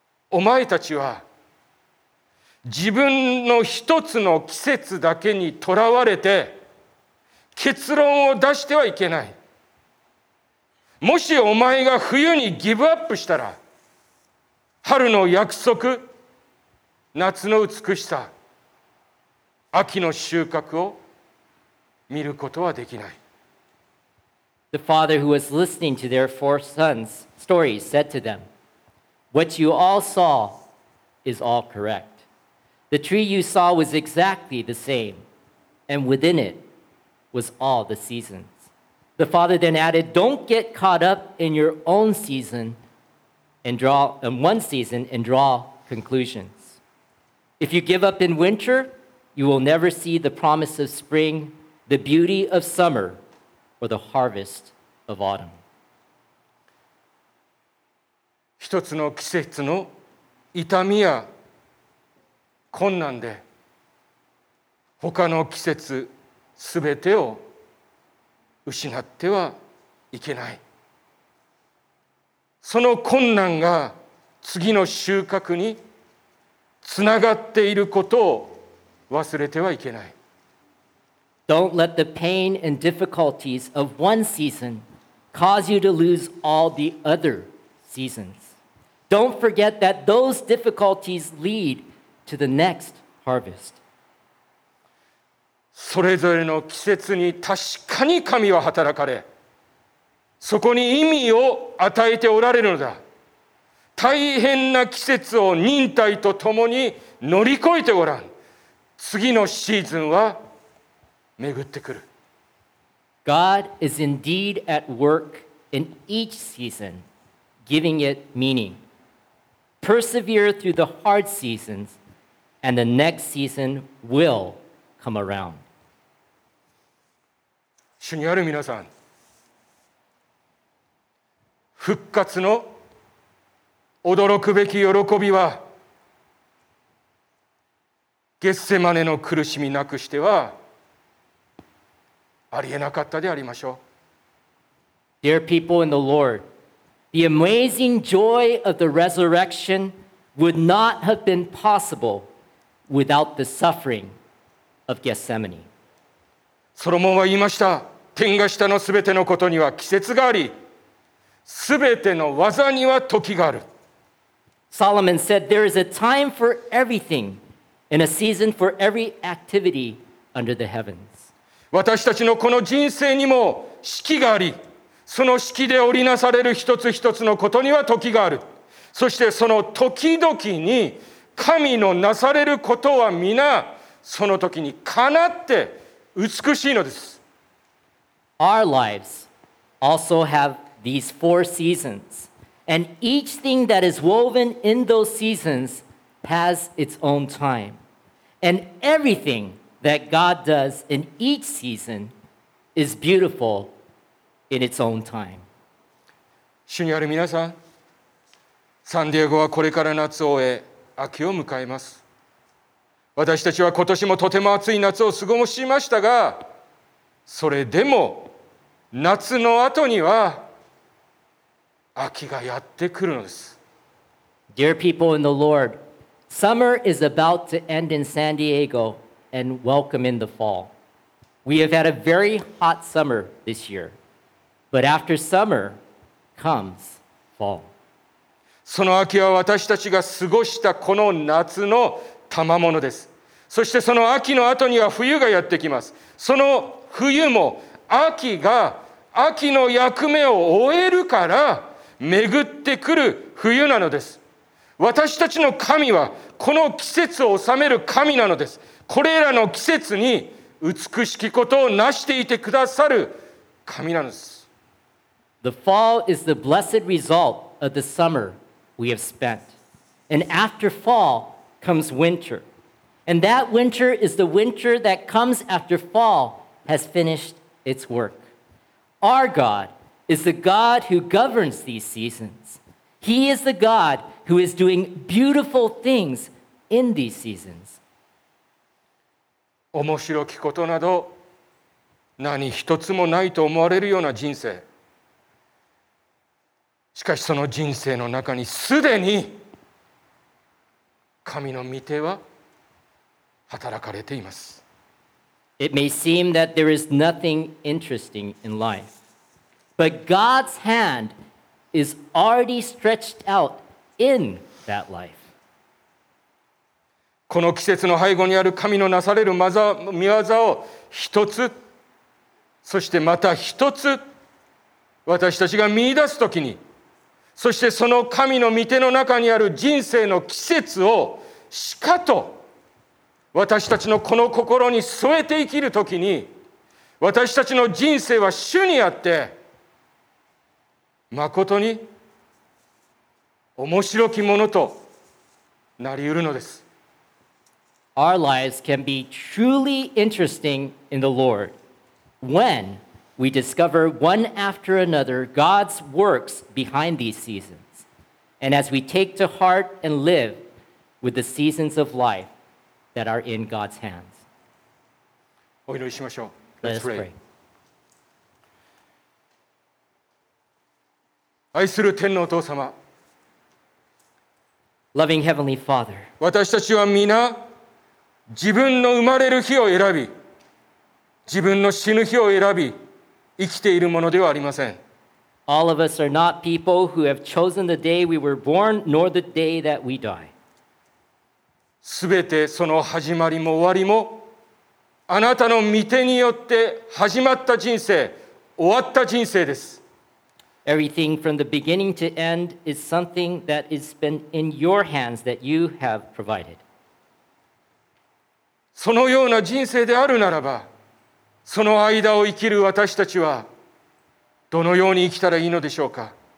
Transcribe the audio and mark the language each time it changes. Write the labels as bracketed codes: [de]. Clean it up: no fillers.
[ja] お前たちは自分の一つの季節だけにとらわれて結論を出してはいけない。もしお前が冬にギブアップしたら、春の約束、夏の美しさ、秋の収穫を見ることはできない。 [en] The father who was listening to their four sons' stories said to them, "What you all saw is all correct. The tree you saw was exactly the same, and within it was all the seasons." The father then added, "Don't get caught up in your own season and draw in one season and draw conclusions. If you give up in winter, you will never see the promise of spring, the beauty of summer, or the harvest of autumn." [ja] 一つの季節の痛みや困難で、他の季節すべてを失ってはいけない。その困難が次の収穫につながっていることを忘れてはいけない。 [en] Don't let the pain and difficulties of one season cause you to lose all the other seasons. Don't forget that those difficulties lead to the next harvest. [ja] それぞれの季節に確かに神は働かれ、そこに意味を与えておられるのだ。大変な季節を忍耐とともに乗り越えてごらん。次のシーズンは巡ってくる。 [en] God is indeed at work in each season, giving it meaning. Persevere through the hard seasons, and the next season will come around. [ja] 主にある皆さん、復活の驚くべき喜びは、ゲッセマネの苦しみなくしてはありえなかったでありましょう。 [en] Dear people in the Lord, the amazing joy of the resurrection would not have been possible without the suffering of Gethsemane. [ja] ソロモンは言いました。天が下のすべてのことには季節があり、すべての技には時がある。 [en] Solomon said, there is a time for everything and a season for every activity under the heavens. [ja] 私たちのこの人生にも四季があり、その四季で織りなされる一つ一つのことには時がある。そしてその時々に神のなされることは皆その時にかなって美しいのです。 [en] Our lives also have these four seasons, and each thing that is woven in those seasons has its own time. And everything that God does in each season is beautiful in its own time. [ja] 主にある皆さん、サンディエゴはこれから夏を終え、秋を迎えます。私たちは今年もとても暑い夏を過ごしましたが、それでも夏の後には秋がやってくるのです。 [en] Dear people in the Lord, summer is about to end in San Diego and welcome in the fall. We have had a very hot summer this year, but after summer comes fall. [ja] その秋は私たちが過ごしたこの夏の賜物です。そしてその秋の後には冬がやってきます。その冬も秋が秋の役目を終えるから巡ってくる冬なのです。私たちの神はこの季節を治める神なのです。これらの季節に美しきことを成していてくださる神なのです。 [en] The fall is the blessed result of the summer we have spent. And after fall comes winter. And that winter is the winter that comes after fall has finished its work. Our God is the God who governs these seasons. He is the God who is doing beautiful things in these seasons. [ja] 面白きことなど何一つもないと思われるような人生。しかしその人生の中にすでに神の御手は働かれています。 [en] It may seem that there is nothing interesting in life, but God's hand is already stretched out in that life. [ja] この季節の背後にある神のなされる見業を一つ、そしてまた一つ、私たちが見出すときに、そしてその神の御手の中にある人生の季節をしかと私たちのこの心に添えて生きるときに、私たちの人生は主にあって、まことに面白きものとなりうるのです。 [en] Our lives can be truly interesting in the Lord when we discover one after another God's works behind these seasons. And as we take to heart and live with the seasons of life,That are in God's hands. [ja] お祈りしましょう。 [en] Let's pray. [ja] 愛する天のお父様。 [en] Loving Heavenly Father. [ja] 私たちは皆自分の生まれる日を選び、自分の死ぬ日を選び、生きているものではありません。 [en] All of us are not people who have chosen the day we were born, nor the day that we die. [ja] すべてその始まりも終わりもあなたの御手によって始まった人生、終わった人生です。 [en] Everything from the beginning to end is something that has been in your hands that you have provided. [ja] そのような人生であるならば、その間を生きる私たちはどのように生きたらいいのでしょうか。